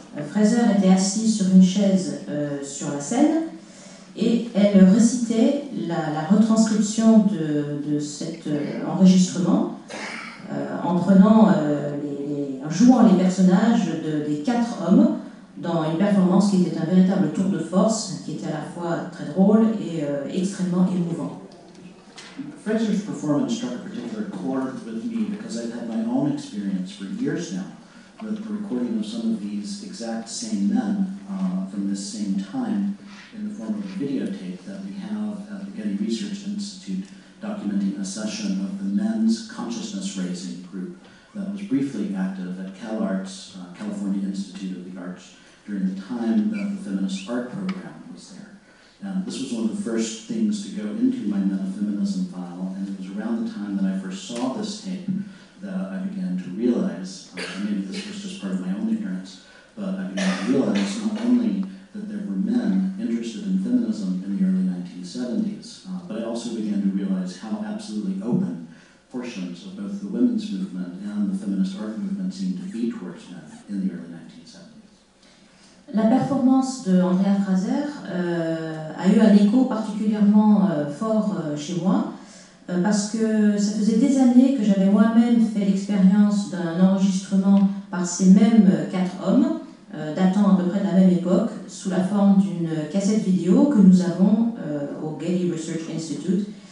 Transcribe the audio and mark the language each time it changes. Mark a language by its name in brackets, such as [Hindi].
[French] Fraser était assise sur une chaise sur la scène et elle récitait la retranscription de cet enregistrement en jouant les personnages des quatre hommes dans une performance qui était un véritable tour de force, qui était à la fois très drôle et extrêmement émouvant. [English] Fraser's performance struck a particular chord with me because I've had my own experience for years now with the recording of some of these exact same men from this same time in the form of a videotape that we have at the Getty Research Institute, documenting a session of the men's consciousness-raising group that was briefly active at CalArts, California Institute of the Arts, during the time that the feminist art program was there. And this was one of the first things to go into my metafeminism file, and it was around the time that I first saw this tape that I began to realize, maybe this was just part of my own ignorance, but I began to realize not only that there were men interested in feminism in the early 1970s, but I also began to realize how absolutely open portions of both the women's movement and the feminist art movement seemed to be towards men in the early 1970s. [French] La performance de Andrea Fraser a eu un écho particulièrement fort chez moi, parce que ça faisait des années que j'avais moi-même fait l'expérience d'un enregistrement par ces mêmes quatre hommes, datant à peu près de la même époque, sous la forme d'une cassette vidéo que nous avons au Getty Research Institute